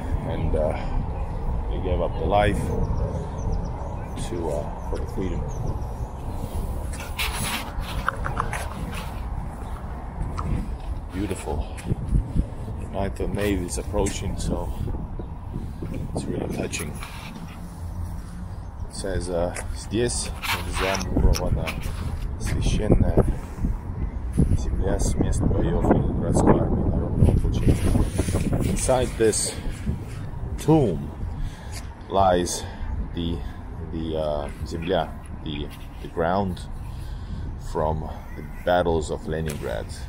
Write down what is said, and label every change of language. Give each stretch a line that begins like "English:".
English: And they gave up their life to for the freedom. Beautiful. Right, the Navy is approaching, so it's really touching. It says,
Russian: здесь, в замурована священная земля с мест боев и городской армии народного ополчения.
English: Inside this tomb lies земля, the ground from the battles of Leningrad.